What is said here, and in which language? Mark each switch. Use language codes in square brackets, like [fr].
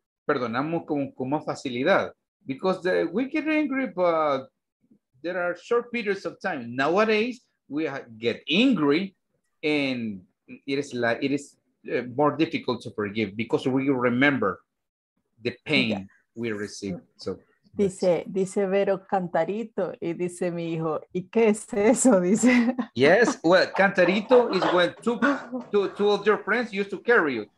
[es] Perdonamos con más facilidad. [en] Because we get angry, but there are short periods of time. Nowadays, we get angry, and it is more difficult to forgive because we remember the pain we receive. So. [es] Dice Vero Cantarito, y dice mi hijo, ¿y qué es eso? Dice. [en] Yes, well, Cantarito is when two of your friends used to carry you.